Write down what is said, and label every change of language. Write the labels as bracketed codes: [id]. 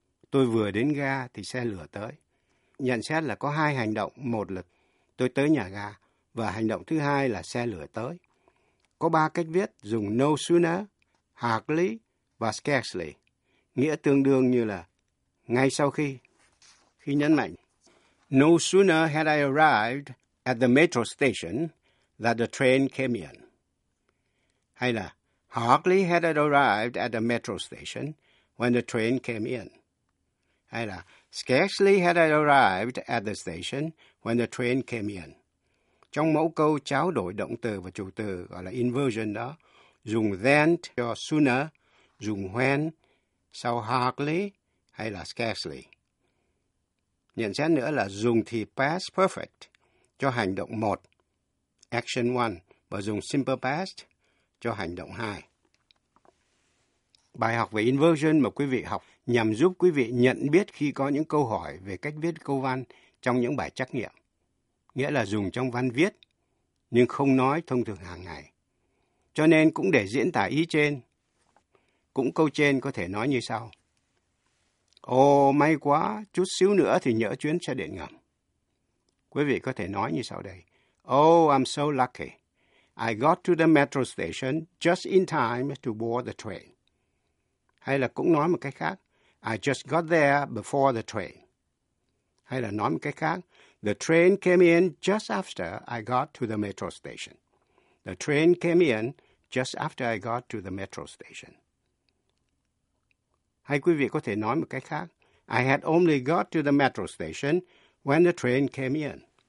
[vi] Tôi vừa đến ga thì xe lửa tới. Nhận xét là có hai hành động, một là tôi tới nhà ga, và hành động thứ hai là xe lửa tới. Có ba cách viết dùng no sooner, hardly và scarcely, nghĩa tương đương như là ngay sau khi. Khi nhấn mạnh, [en] no sooner had I arrived at the metro station than the train came in. [vi] Hay là [en] hardly had I arrived at the metro station when the train came in. [vi] Hay là [en] scarcely had I arrived at the station when the train came in. [vi] Trong mẫu câu trao đổi động từ và chủ từ gọi là inversion đó, dùng then cho sooner, dùng when sau hardly hay là scarcely. Nhận xét nữa là dùng thì past perfect cho hành động 1, action 1, và dùng simple past cho hành động 2. Bài học về inversion mà quý vị học nhằm giúp quý vị nhận biết khi có những câu hỏi về cách viết câu văn trong những bài trắc nghiệm. Nghĩa là dùng trong văn viết, nhưng không nói thông thường hàng ngày. Cho nên cũng để diễn tả ý trên, cũng câu trên có thể nói như sau. Ồ, may quá, chút xíu nữa thì nhỡ chuyến xe điện ngầm. Quý vị có thể nói như sau đây. [en] Oh, I'm so lucky. I got to the metro station just in time to board the train. [vi] Hay là cũng nói một cách khác. [en] I just got there before the train. [vi] Hay là nói một cách khác. [en] The train came in just after I got to the metro station. The train came in just after I got to the metro station. [vi] Hay quý vị có thể nói một cách khác. [en] I had only got to the metro station when the train came in.